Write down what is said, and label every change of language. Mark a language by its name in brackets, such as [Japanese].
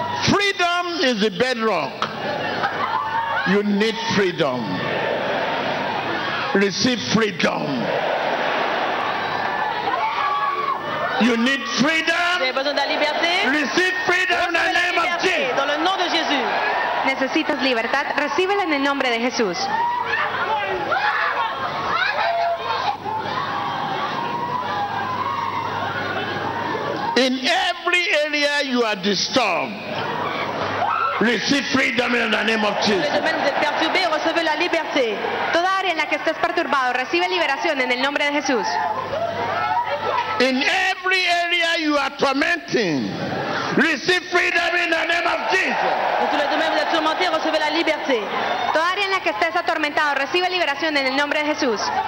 [English] Freedom is the bedrock. You need freedom. Receive freedom. You need freedom. [French] Vous avez besoin de la liberté. [English] Receive freedom in the name of Jesus. [French] Dans le nom de Jésus. [Spanish] Necesitas libertad. Recíbela en el nombre de Jesús. [English] In every area you are disturbed, receive freedom in the name of Jesus. [French] Dans le domaine où vous êtes perturbé, recevez la liberté. [Spanish] Toda área en la que estés perturbado, recibe liberación en el nombre de Jesús. [English] In every area you are tormenting, receive freedom in the name of Jesus. [French] Tu le demandes de tourmenter, recevez la liberté. [Spanish] Toda área en la que estés atormentado, recibe liberación en el nombre de Jesús.